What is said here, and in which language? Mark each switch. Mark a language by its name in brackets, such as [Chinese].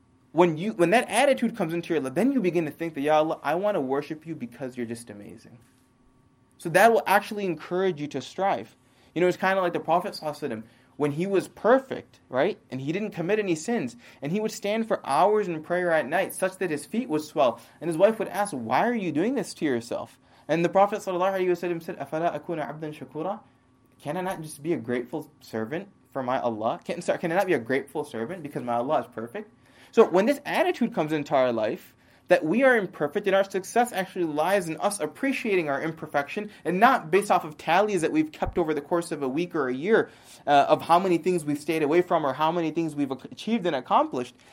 [English] When that attitude comes into your life, then you begin to think that, Ya Allah, I want to worship you because you're just amazing. So that will actually encourage you to strive. You know, it's kind of like the Prophet ﷺ, when he was perfect, right? And he didn't commit any sins. And he would stand for hours in prayer at night such that his feet would swell. And his wife would ask, why are you doing this to yourself? And the Prophet ﷺ said, [Arabic] أَفَلَا أَكُونَ عَبْدًا شَكُورًا? [English] Can I not just be a grateful servant for my Allah? Can I not be a grateful servant because my Allah is perfect? So when this attitude comes into our life, that we are imperfect and our success actually lies in us appreciating our imperfection and not based off of tallies that we've kept over the course of a week or a year of how many things we've stayed away from or how many things we've achieved and accomplished.